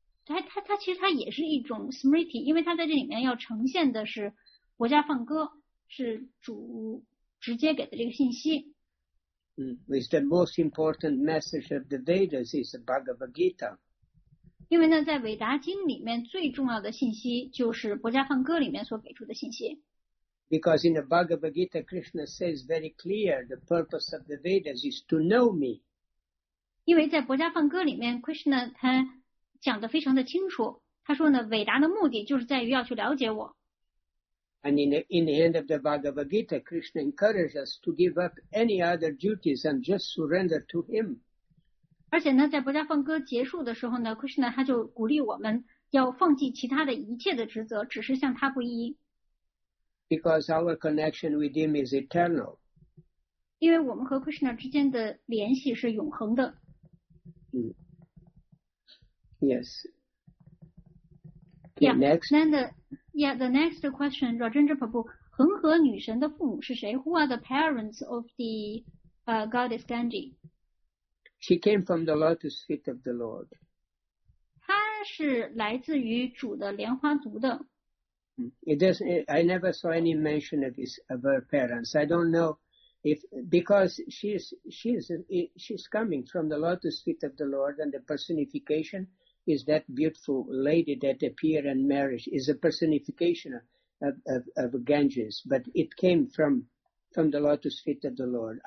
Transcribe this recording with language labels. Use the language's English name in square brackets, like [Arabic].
[Chinese] 它其实它也是一种 smriti， 因为它在这里面要呈现的是薄伽梵歌，是主直接给的这个信息。 [English] It's the most important message of the Vedas is the Bhagavad Gita。 [Chinese] 因为呢，在韦达经里面最重要的信息就是薄伽梵歌里面所给出的信息。 [English] Because in the Bhagavad Gita, Krishna says very clear, the purpose of the Vedas is to know me。 [Chinese] 因为在薄伽梵歌里面 ，Krishna 他讲得非常的清楚，他说呢，伟达的目的就是在于要去了解我。 [English] And in the end of the Bhagavad Gita, Krishna encourages us to give up any other duties and just surrender to Him. [Chinese] 而且呢，在《博迦梵歌》结束的时候呢，库什纳他就鼓励我们要放弃其他的一切的职责，只是向他皈依。 [English] Because our connection with Him is eternal. [Chinese] 因为我们和库什纳之间的联系是永恒的。 [English] Yes. Yeah, next. Then the next question, Rajendra Prabhu, [Chinese] 恒河女神的父母是谁？ [English] Who are the parents of the goddess Gangi? She came from the lotus feet of the Lord. [Chinese] 她是来自于主的莲花足的。 [English] I never saw any mention of her parents. I don't know if, because she's coming from the lotus feet of the Lord and the personification is that beautiful lady that appeared in marriage is a personification of Ganges, but it came from the lotus feet of the Lord.